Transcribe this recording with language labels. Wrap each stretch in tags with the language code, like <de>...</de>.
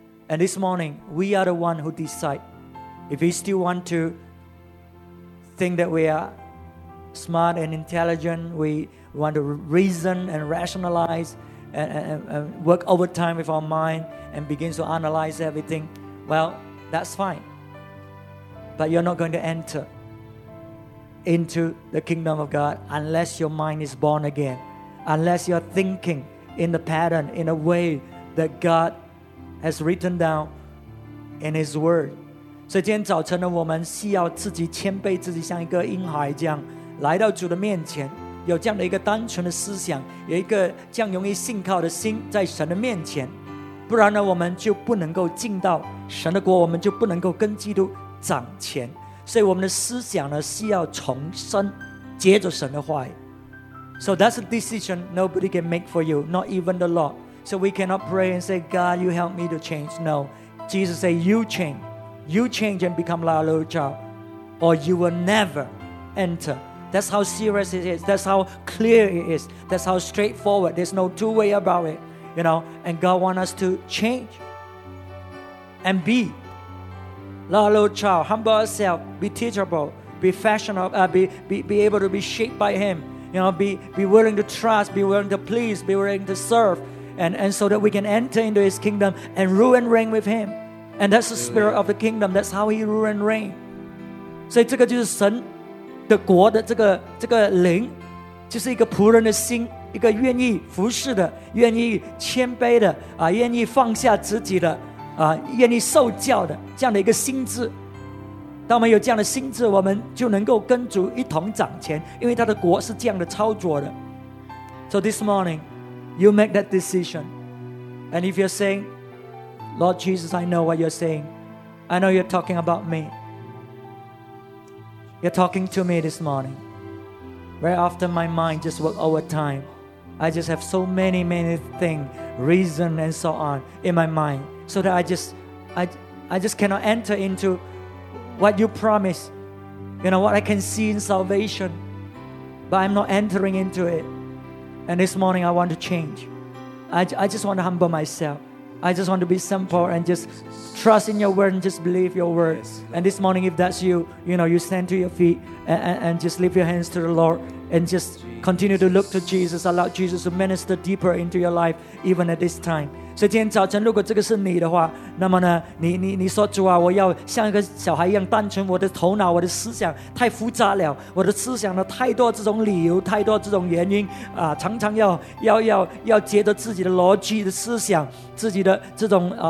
<en>And this morning, we are the one who decide. If we still want to think that we are smart and intelligent, we want to reason and rationalize,And work overtime with our mind and begin to analyze everything, well, that's fine. But you're not going to enter into the kingdom of God unless your mind is born again, unless you're thinking in the pattern, in a way that God has written down in His Word.</en> <zh>So, 今天早晨的我们需要自己谦卑自己，像一个婴孩这样来到主的面前。有这样的一个单纯的思想，有一个这样容易信靠的心在神的面前，不然呢，我们就不能够进到神的国，我们就不能够跟基督掌权。所以我们的思想呢，需要重生，接着神的话语。</zh> <en>So that's a decision nobody can make for you, not even the Lord. So we cannot pray and say, God, you help me to change. No, Jesus said, you change and become like a little child, or you will never enter. That's how serious it is. That's how clear it is. That's how straightforward. There's no two way about it. You know, and God wants us to change and be like a little child. Humble ourselves. Be teachable. Be fashionable. Be able to be shaped by Him. You know, be willing to trust. Be willing to please. Be willing to serve. And so that we can enter into His kingdom and rule and reign with Him. And that's the spirit of the kingdom. That's how He rule and reign.</en> <zh>So, 这个就是神的国的这个灵，就是一个仆人的心，一个愿意服侍的，愿意谦卑的，愿意放下自己的，愿意受教的，这样的一个心智。当我们有这样的心智，我们就能够跟主一同掌权，因为他的国是这样的操作的。</zh> <en>So this morning you make that decision, and if you're saying, Lord Jesus, I know what you're saying, I know you're talking about me, you're talking to me this morning. Very often my mind just works overtime. I just have so many, many things, reason and so on in my mind, so that I just cannot enter intowhat you promise, you know, what I can see in salvation, but I'm not entering into it. And this morning I want to change. I just want to humble myself. I just want to be simple and just trust in your word and just believe your word. Yes. And this morning, if that's you, you know, you stand to your feet and just lift your hands to the Lord and just continue to look to Jesus. Allow Jesus to minister deeper into your life, even at this time.</en> <zh>所以今天早晨，如果这个是你的话，那么呢，你说主啊，我要像一个小孩一样单纯，我的头脑，我的思想太复杂了，我的思想呢太多这种理由，太多这种原因啊，常常要接着自己的逻辑的思想，自己的这种</zh>